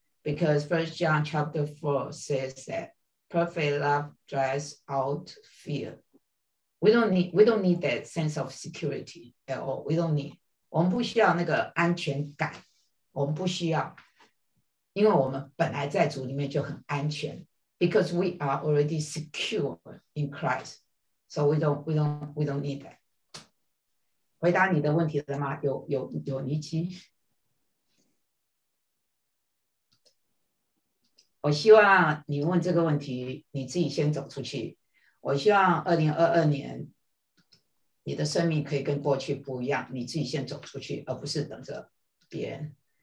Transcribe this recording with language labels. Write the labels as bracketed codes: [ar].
[en] Because 1 John chapter 4 says that perfect love drives out fear. We don't need that sense of security at all. We don't need. [zh] 我们不需要那个安全感，我们不需要，因为我们本来在主里面就很安全. [en] Because we are already secure in Christ, so we don't need that. [zh] 回答你的问题了吗？有尼基？我希望你问这个问题，你自己先走出去。我希望2022年，你的生命可以跟过去不一样，你自己先走出去，而不是等着别人。